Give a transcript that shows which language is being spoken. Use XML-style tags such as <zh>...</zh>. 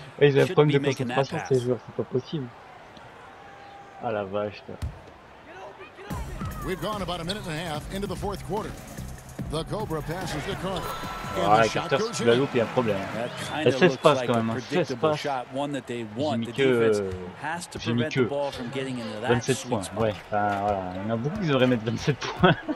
<fr>Ils ont un problème de concentration, ces joueurs, c'est pas possible. Ah la vache, là.</fr> <en>We've gone about a minute and a half into the fourth quarter. The Cobra passes to Carter.</en> <fr>Ah, Carter, si tu la loupes, il y a un problème. Il y a 16 passes quand même, 16 passes. J'ai mis que 27 points, ouais. Enfin, voilà, il y en a beaucoup qui devraient mettre 27 points.</fr>